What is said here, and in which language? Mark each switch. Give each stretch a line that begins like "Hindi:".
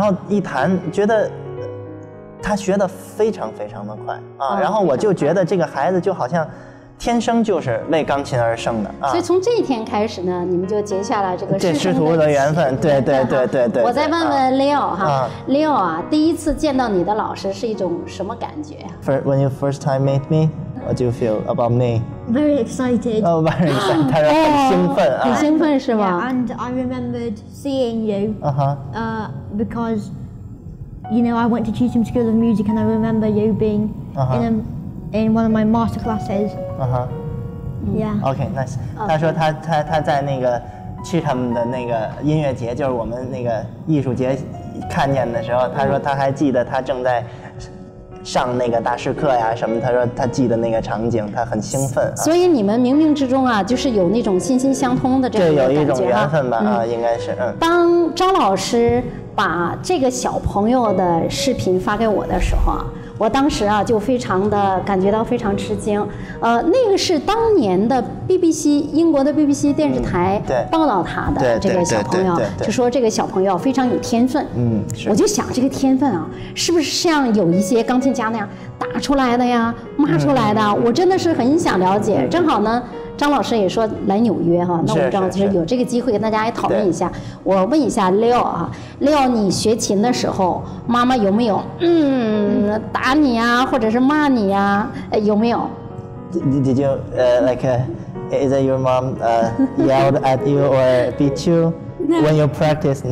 Chinese: 然后一弹觉得他学得非常非常的快啊，然后我就觉得这个孩子就好像天生就是为钢琴而生的啊。所以从这一天开始呢，你们就结下了这个师徒的缘分。对对对对对。我再问问 Leo 哈， Leo 啊，第一次见到你的老师是一种什么感觉？
English: When you first time meet me, what do you feel about me? Very excited. Oh, very excited.
Chinese: 他说很兴奋啊。很兴奋是吗？
English: Yeah, and I remembered seeing you. Because you know I went to Cheltenham School of Music and I remember you being in one of my master classes. Yeah. Okay, nice. Okay.
Chinese: 他说他在那个 Cheltenham 的那个音乐节，就是我们那个艺术节看见的时候，他说他还记得他正在上那个大师课呀什么，他说他记得那个场景，他很兴奋。所以你们冥冥之中啊，就是有那种心心相通的这种感觉，就有一种缘分吧啊，应该是。当张老师把这个小朋友的视频发给我的时候啊，我当时啊就非常的感觉到非常吃惊，那个是当年的 BBC 英国的 BBC 电视台报道他的这个小朋友，就说这个小朋友非常有天分。我就想这个天分啊，是不是像有一些钢琴家那样打出来的呀，骂出来的？我真的是很想了解。正好呢，张老师也说来纽约哈，那我们正好就是有这个机会跟大家也讨论一下。我问一下 Leo 啊， Leo， 你学琴的时候妈妈有没有打你啊，或者是骂你啊，有没有？
English: Did you like is that your mom yelled at you or beat you when you practice?